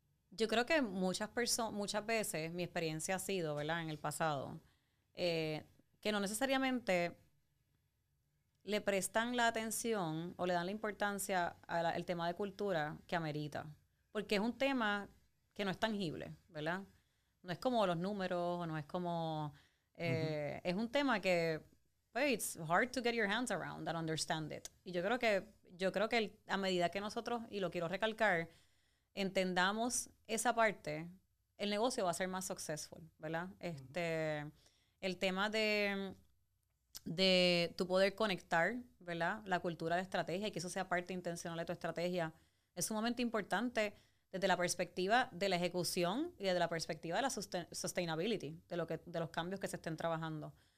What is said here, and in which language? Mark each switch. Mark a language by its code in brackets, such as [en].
[es] Yo creo que muchas veces mi experiencia ha sido, ¿verdad?, en el pasado, que no necesariamente le prestan la atención o le dan la importancia al tema de cultura que amerita. Porque es un tema que no es tangible, ¿verdad? No es como los números, o no es como... Uh-huh. Es un tema que, pues, [en] it's hard to get your hands around and understand it. [es] Y yo creo que a medida que nosotros, y lo quiero recalcar, entendamos esa parte, el negocio va a ser más successful, ¿verdad? Uh-huh. El tema de tu poder conectar, ¿verdad?, la cultura de estrategia y que eso sea parte intencional de tu estrategia, es sumamente importante desde la perspectiva de la ejecución y desde la perspectiva de la sustainability, de los cambios que se estén trabajando.